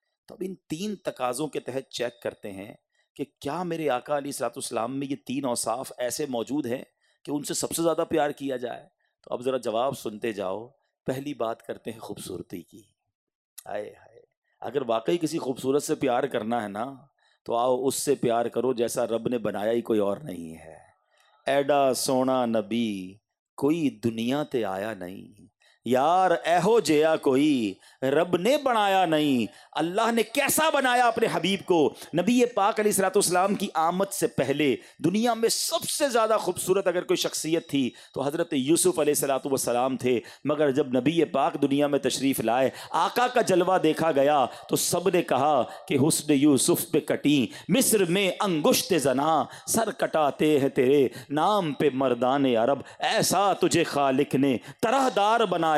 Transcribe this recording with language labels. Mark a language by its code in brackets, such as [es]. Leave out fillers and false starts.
[ur] تو اب ان تین تقاضوں کے تحت چیک کرتے ہیں کہ کیا میرے آقا علیہ الصلوۃ والسلام میں یہ تین اوصاف ایسے موجود ہیں کہ ان سے سب سے زیادہ پیار کیا جائے. تو اب ذرا جواب سنتے جاؤ. پہلی بات کرتے ہیں خوبصورتی کی. آئے ہائے, اگر واقعی کسی خوبصورت سے پیار کرنا ہے نا تو آؤ اس سے پیار کرو جیسا رب نے بنایا ہی کوئی اور نہیں ہے. [pa] ایڈا سونا نبی کوئی دنیا تے آیا نہیں, یار ایہو جیا کوئی رب نے بنایا نہیں. [ur] اللہ نے کیسا بنایا اپنے حبیب کو, نبی پاک علیہ الصلوۃ والسلام کی آمد سے پہلے دنیا میں سب سے زیادہ خوبصورت اگر کوئی شخصیت تھی تو حضرت یوسف علیہ الصلوۃ والسلام تھے. مگر جب نبی پاک دنیا میں تشریف لائے, آقا کا جلوہ دیکھا گیا تو سب نے کہا کہ حسن یوسف پہ کٹی مصر میں انگشت زنا, سر کٹاتے ہیں تیرے نام پہ مردان عرب, ایسا تجھے خالق نے طرح دار بنایا.